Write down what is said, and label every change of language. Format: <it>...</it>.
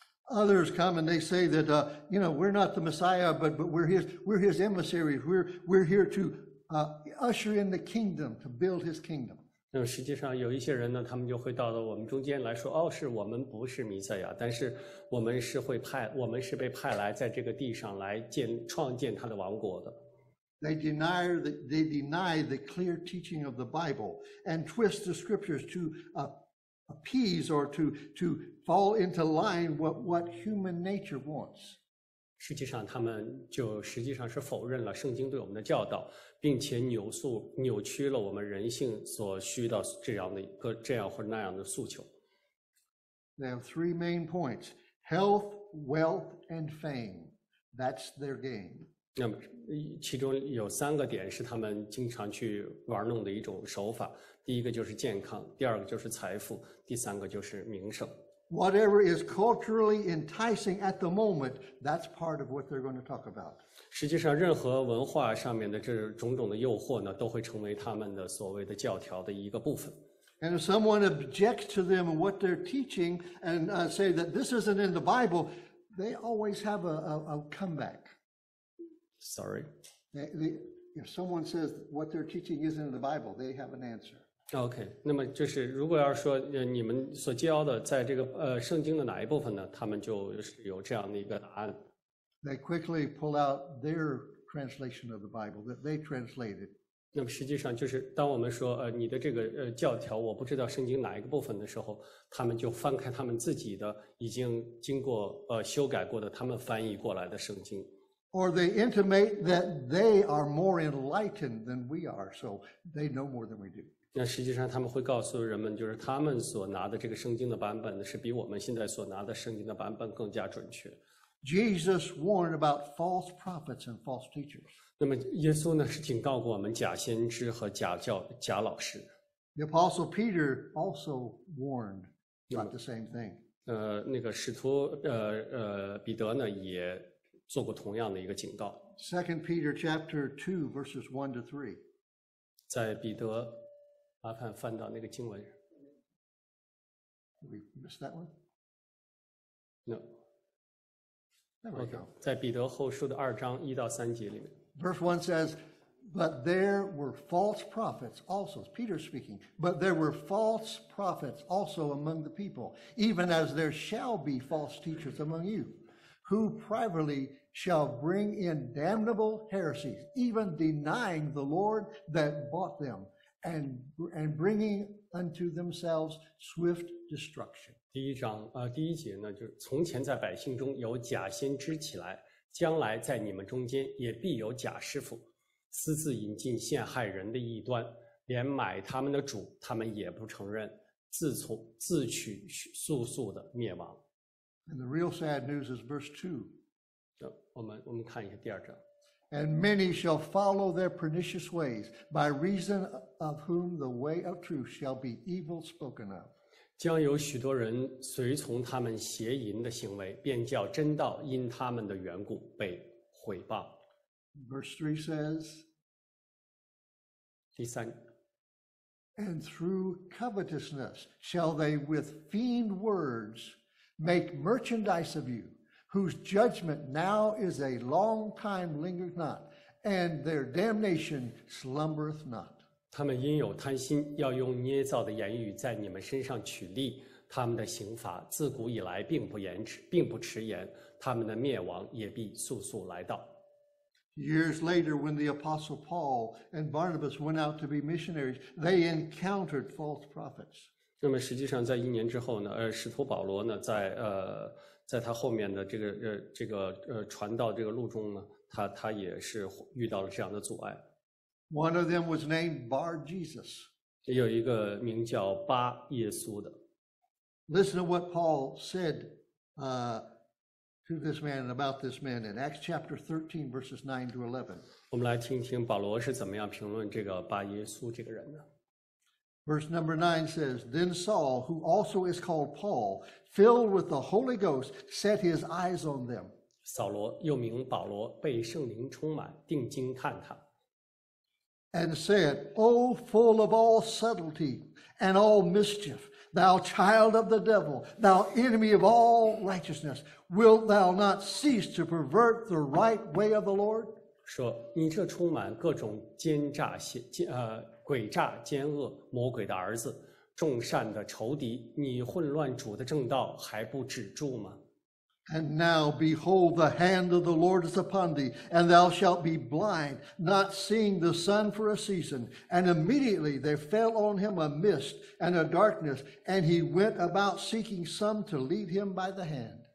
<en>Others come and they say that you know, we're not the Messiah, but we're his emissaries. We're here to usher in the kingdom, to build his kingdom.</en> <zh>那实际上有一些人呢，他们就会到我们中间来说，哦，是我们不是弥赛亚，但是我们是会派，我们是被派来在这个地上来创建他的王国的。</zh> <en>They deny the clear teaching of the Bible and twist the scriptures to appease or to fall into line what human nature wants.</en> <zh>实际上他们就实际上是否认了圣经对我们的教导，并且扭曲了我们人性所需的这样或那样的诉求。</zh> <en>They have three main points: health, wealth, and fame. That's their game.</en> <zh>那么其中有三个点是他们经常去玩弄的一种手法。第一个就是健康，第二个就是财富，第三个就是名声。</zh> <en>Whatever is culturally enticing at the moment, that's part of what they're going to talk about.</en> <zh>实际上任何文化上面的这种种的诱惑呢，都会成为他们的所谓的教条的一个部分。</zh> <en>And if someone objects to them and what they're teaching and say that this isn't in the Bible, they always have a comeback. Sorry. If someone says what they're teaching isn't in the Bible, they have an answer.</en> <zh>OK, 那么就是如果要说你们所教的在这个圣经的哪一部分呢，他们就是有这样的一个答案。</zh> <en>They quickly pull out their translation of the Bible that they translated.</en> <zh>那么实际上就是当我们说你的这个教条我不知道圣经哪一个部分的时候，他们就翻开他们自己的已经经过修改过的他们翻译过来的圣经。</zh> <en>Or they intimate that they are more enlightened than we are, so they know more than we do.</en> <zh>那实际上他们会告诉人们，就是他们所拿的这个圣经的版本是比我们现在所拿的圣经的版本更加准确。</zh> <en>Jesus warned about false prophets and false teachers.</en> <zh>那么耶稣呢是警告过我们假先知和假教假老师。</zh> <en>The apostle Peter also warned about the same thing.</en> <zh>那个使徒彼得呢也做过同样的一个警告。</zh> <en>Second Peter chapter 2 verses 1-3.</en> <zh>在彼得麻烦翻到那个经文。</zh> <en>We missed that one? No. There we go.</en> <zh>在彼得后书的二章一到三节里面。</zh> <en>Verse 1 says, But there were false prophets also. Peter speaking. But there were false prophets also among the people, even as there shall be false teachers among you, who privately shall bring in damnable heresies, even denying the Lord that bought them, and bringing unto themselves swift destruction.</en> <zh>第一章第一节呢，就是从前在百姓中有假先知起来，将来在你们中间也必有假师傅，私自引进陷害人的异端，连买他们的主他们也不承认，自取速速的灭亡。</zh> <en>And the real sad news is verse 2.</en> <zh>我们看一下第二章。</zh> <en>And many shall follow their pernicious ways, by reason of whom the way of truth shall be evil spoken of.</en> <zh>将有许多人随从他们邪淫的行为，便叫真道因他们的缘故被毁谤。</zh> <en>Verse 3 says,</en> <zh>第三。</zh> <en>And through covetousness shall they with feigned words make merchandise of you, whose judgment now is a long time lingereth not, and their damnation slumbereth not.</en> <zh>他们因有贪心，要用捏造的言语在你们身上取利，他们的刑罚自古以来并不延迟，并不迟延，他们的灭亡也必速速来到。</zh> <en>Years later, when the Apostle Paul and Barnabas went out to be missionaries, they encountered false prophets.</en> <zh>那么实际上在一年之后呢，使徒保罗呢，在他后面的这个传道这个路中呢，他也是遇到了这样的阻碍。</zh> <en>One of them was named Bar Jesus.</en> <zh>有一个名叫巴耶稣的。</zh> <en>Listen to what Paul said, to this man and about this man in Acts chapter 13 verses 9 to 11.</en> <zh>我们来听听保罗是怎么样评论这个巴耶稣这个人的。</zh> <en>Verse number 9 says, Then Saul, who also is called Paul, filled with the Holy Ghost, set his eyes on them.</en> <zh>扫罗又名保罗，被圣灵充满，定睛看他。</zh> <en>And said, O full of all subtlety and all mischief, thou child of the devil, thou enemy of all righteousness, wilt thou not cease to pervert the right way of the Lord?</en> <zh>说你这充满各种奸诈诡诈奸恶魔鬼的儿子，众善的仇敌，你混乱主的正道还不止住吗？</zh> <en>And now behold, the hand of the Lord is upon thee, and thou shalt be blind, not seeing the sun for a season. And immediately there fell on him a mist and a darkness, and he went about seeking some to lead him by the hand.</en>